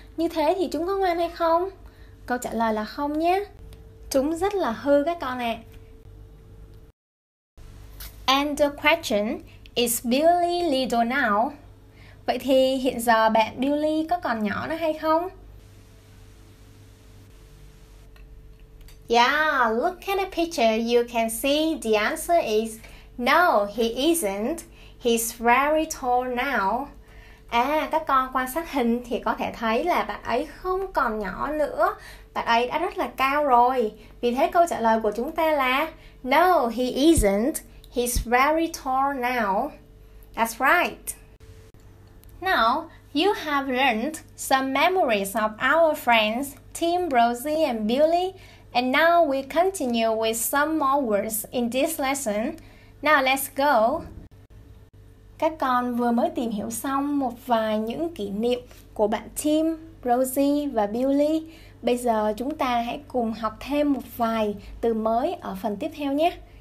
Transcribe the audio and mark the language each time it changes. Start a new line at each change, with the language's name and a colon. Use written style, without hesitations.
Vietnamese: Như thế thì chúng có ngoan hay không? Câu trả lời là không nhé. Chúng rất là hư các con ạ.
English: And the question, is Billy little now?
Vietnamese: Vậy thì hiện giờ bạn Billy có còn nhỏ nữa hay không?
English: Yeah, look at the picture, you can see the answer is no, he isn't. He's very tall now.
Vietnamese: À, các con quan sát hình thì có thể thấy là bạn ấy không còn nhỏ nữa. Bạn ấy đã rất là cao rồi. Vì thế câu trả lời của chúng ta là
English: no, he isn't.
Vietnamese: He's very tall now. That's right.
English: Now, you have learned some memories of our friends, Tim, Rosie, and Billy. And now we continue with some more words in this lesson. Now, let's go.
Vietnamese: Các con vừa mới tìm hiểu xong một vài những kỷ niệm của bạn Tim, Rosie và Billy. Bây giờ chúng ta hãy cùng học thêm một vài từ mới ở phần tiếp theo nhé.